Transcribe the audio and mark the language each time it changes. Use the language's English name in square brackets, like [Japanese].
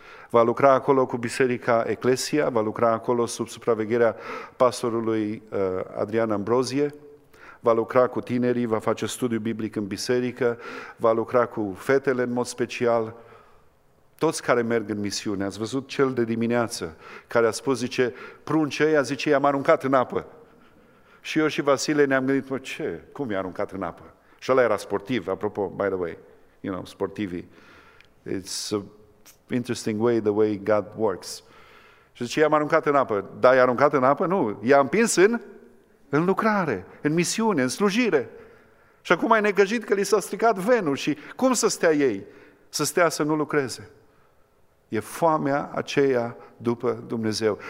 [Romanian] Va lucra acolo cu Biserica Eclesia, va lucra acolo sub supravegherea pastorului Adrian Ambrozie, va lucra cu tinerii, va face studiu biblic în biserică, va lucra cu fetele în mod special. Toți care merg în misiune, ați văzut cel de dimineață, care a spus, zice, prunce aia, zice, i-am aruncat în apă. Și eu și Vasile ne-am gândit, mă, ce, cum i-a aruncat în apă? Și ăla era sportiv, apropo, [English] by the way, you know, [Romanian] sportivii. [English] It's an interesting way, the way God works. [Romanian] Și zice, i-am aruncat în apă. Dar i-a aruncat în apă? Nu, i-a împins în lucrare, în misiune, în slujire. Și acum ai negăjit că li s-a stricat venul și cum să stea ei? Să stea să nu lucreze. E foamea aceea după Dumnezeu.